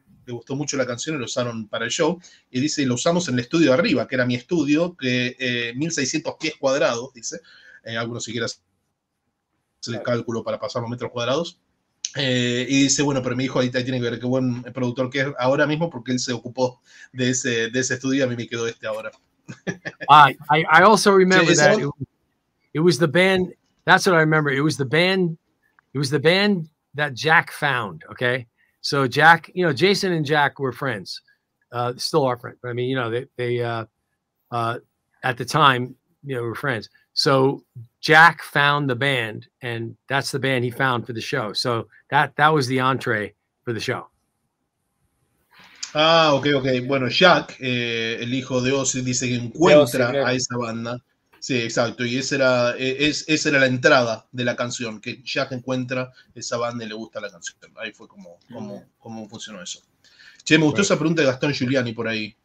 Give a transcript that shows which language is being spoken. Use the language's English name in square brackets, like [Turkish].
[Spanish] le gustó mucho la canción y lo usaron para el show. Y dice, lo usamos en el estudio de arriba, que era mi estudio, que 1.600 pies cuadrados, dice. Algunos si quieres hacer el cálculo para pasar los metros cuadrados. Y dice, bueno, pero mi hijo ahorita tiene que ver qué buen productor que es ahora mismo, porque él se ocupó de ese estudio y a mí me quedó este ahora. [English] I also remember that it was the band, that's what I remember, it was the band that Jack found, okay? So Jack, you know, Jason and Jack were friends, still are friends, but I mean, you know, they at the time, you know, were friends. So Jack found the band, and that's the band he found for the show. So that was the entree for the show. Ah, ok, ok. [Spanish] Bueno, Jack, el hijo de Ozzy, dice que encuentra a esa banda. Sí, exacto. Y esa era la entrada de la canción, que Jack encuentra esa banda y le gusta la canción. Ahí fue como funcionó eso. Che, me gustó esa pregunta de Gastón Giuliani por ahí.